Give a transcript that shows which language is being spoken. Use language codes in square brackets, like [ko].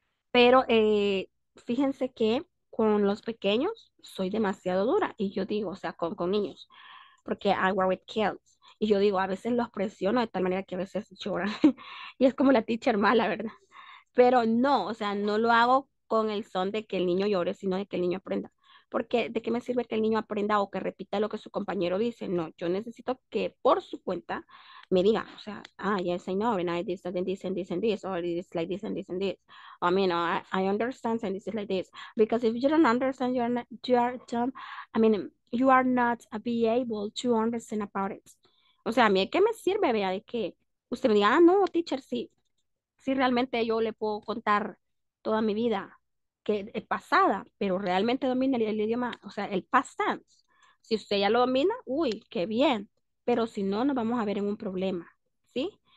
[es] Pero, fíjense que con los pequeños soy demasiado dura y yo digo, o sea, con niños, porque [en] I work with kids [es] y yo digo, a veces los presiono de tal manera que a veces lloran y es como la teacher mala, ¿verdad? Pero no, o sea, no lo hago con el son de que el niño llore, sino de que el niño aprenda. Porque ¿de qué me sirve que el niño aprenda o que repita lo que su compañero dice? No, yo necesito que por su cuenta me diga, o sea, [en] ah, yes, I know, and I did this and this and this and this, or it is like this and this and this. I mean, I understand and this is like this. Because if you don't understand, you are dumb, I mean, you are not be able to understand about it. [es] O sea, ¿a mí qué me sirve, vea, de que usted me diga, ah, no, teacher, sí, realmente yo le puedo contar toda mi vida? Que es pasada, pero realmente domina el idioma, o sea, el past tense. Si usted ya lo domina, uy, qué bien, pero si no, nos vamos a ver en un problema, ¿sí?